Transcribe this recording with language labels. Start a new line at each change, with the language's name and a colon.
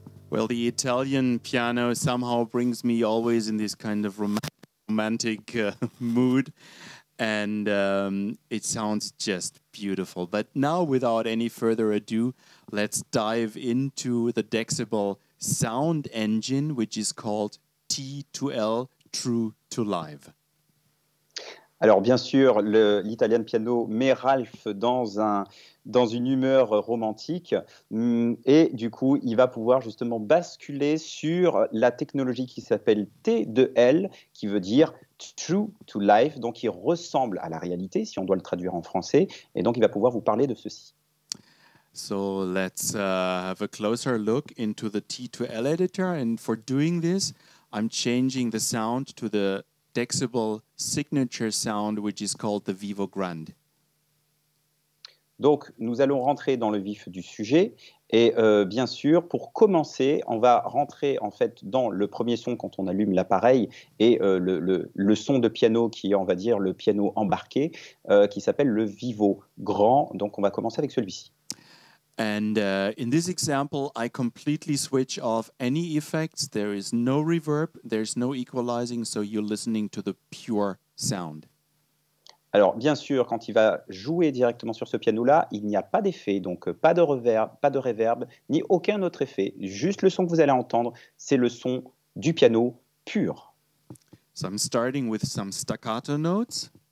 English: Well, the Italian piano somehow brings me always in this kind of romantic mood, and it sounds just beautiful. But now, without any further ado, let's dive into the Dexibol sound engine, which is called T2L, True to Live.
French: Alors, bien sûr, l'Italian Piano met Ralph dans une humeur romantique. Et du coup, il va pouvoir justement basculer sur la technologie qui s'appelle T2L, qui veut dire True to Life. Donc, il ressemble à la réalité, si on doit le traduire en français. Et donc, il va pouvoir vous parler de ceci.
English: So let's have a closer look into the T2L editor. And for doing this, I'm changing the sound to the Dexibel signature sound, which is called the Vivo Grande.
French: Donc, nous allons rentrer dans le vif du sujet. Et bien sûr, pour commencer, on va rentrer en fait dans le premier son quand on allume l'appareil et le son de piano qui est, on va dire, le piano embarqué, qui s'appelle le Vivo Grand. Donc, on va commencer avec celui-ci.
English: And in this example, I completely switch off any effects. There is no reverb, there's no equalizing, so you're listening to the pure sound.
French: Alors, bien sûr, quand il va jouer directement sur ce piano-là, il n'y a pas d'effet, donc pas de reverb, pas de reverb, ni aucun autre effet. Juste le son que vous allez entendre, c'est le son du piano pur.
English: So I'm starting with some staccato notes.